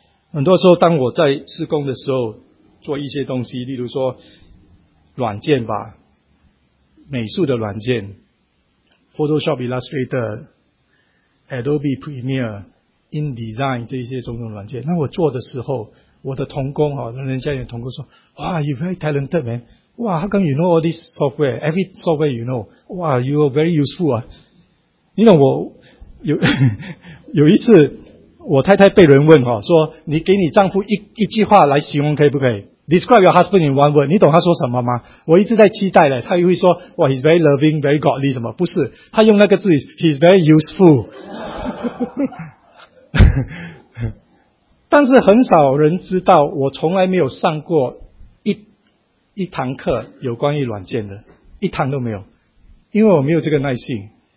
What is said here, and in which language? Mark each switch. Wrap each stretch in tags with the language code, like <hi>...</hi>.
<zh>很多时候当我在事工的时候做一些东西，例如说软件吧，美术的软件 Photoshop, Illustrator, Adobe Premiere, InDesign 这些种种软件，那我做的时候，我的同工人家的同工说，哇</zh> <en>You're very talented man, wow, how come you know all this software, every software you know, wow, you are very useful</en> <zh>啊。你懂，我 有一次我太太被人问说，你给你丈夫 一句话来形容可以不可以？</zh> <en>Describe your husband in one word,</en> <zh>你懂他说什么吗？我一直在期待了，他会说哇</zh> <en>he's very loving, very godly</en> <zh>什么，不是，他用那个字</zh> <en>he's very useful</en> <zh>但是很少人知道我从来没有上过一堂课有关于软件的，一堂都没有，因为我没有这个耐性。</zh>